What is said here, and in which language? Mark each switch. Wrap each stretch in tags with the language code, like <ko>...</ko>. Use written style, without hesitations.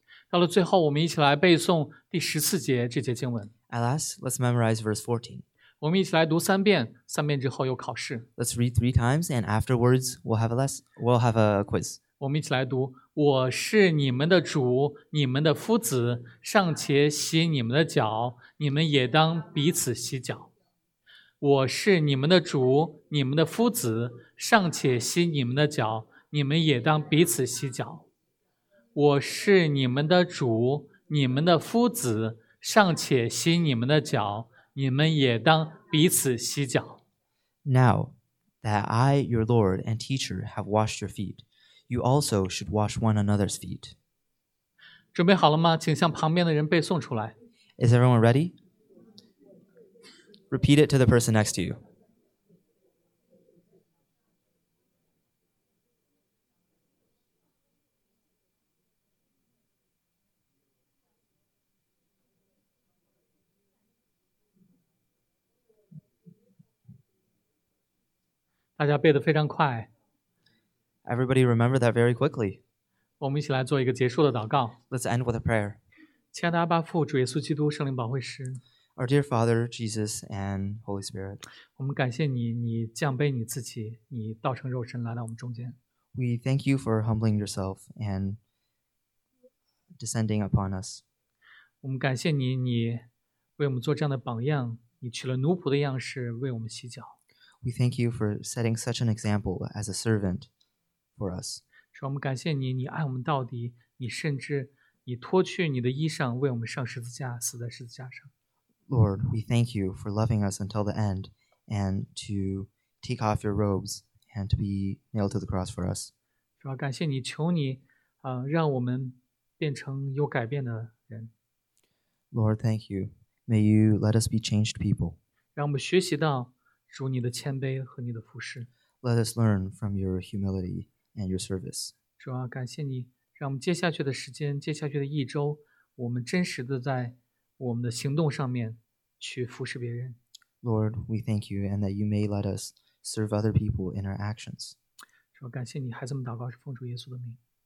<zh>到了最后，我们一起来背诵第十四节这节经文。</zh> <en>At last, let's memorize verse 14.</en> <zh>我们一起来读三遍，三遍之后有考试。</zh> <en>Let's read three times, and afterwards we'll have a quiz.</en> <zh>我们一起来读：我是你们的主，你们的夫子，尚且洗你们的脚，你们也当彼此洗脚。我是你们的主，你们的夫子，尚且洗你们的脚，你们也当彼此洗脚。我是你们的主，你们的夫子，尚且洗你们的脚。你们也当彼此洗脚。</zh> <en>Now that I, your Lord and teacher, have washed your feet, you also should wash one another's feet.</en> <zh>准备好了吗？请向旁边的人背诵出来。</zh> <en>Is everyone ready? Repeat it to the person next to you.</en> <zh>大家背得非常快。</zh> <en>Everybody remember that very quickly.</en> <zh>我们一起来做一个结束的祷告。</zh> <en>Let's end with a prayer.</en> <zh>亲爱的阿爸父，主耶稣基督，圣灵保惠师。</zh> <en>Our dear Father, Jesus, and Holy Spirit.</en> <zh>我们感谢你，你降卑你自己，你道成肉身来到我们中间。</zh> <en>We thank you for humbling yourself and descending upon us.</en> <zh>我们感谢你，你为我们做这样的榜样，你取了奴仆的样式为我们洗脚。</zh> <en>We thank you for setting such an example as a servant for us.</en> <zh>主，我们感谢你，你爱我们到底，你甚至你脱去你的衣裳为我们上十字架，死在十字架上。</zh> <en>Lord, we thank you for loving us until the end and to take off your robes and to be nailed to the cross for us.</en> <zh>主，感谢你，求你，让我们变成有改变的人。</zh> <en>Lord, thank you. May you let us be changed people.</en> <zh>让我们学习到主你的谦卑和你的服侍。</zh> <en>Let us learn from your humility and your service.</en> <zh>主啊，感谢你，让我们接下去的时间，接下去的一周，我们真实的在我们的行动上面去服侍别人。</zh> <en>Lord, we thank you and that you may let us serve other people in our actions.</en> <zh>主啊，感谢你，孩子们祷告是奉主耶稣的名。</zh>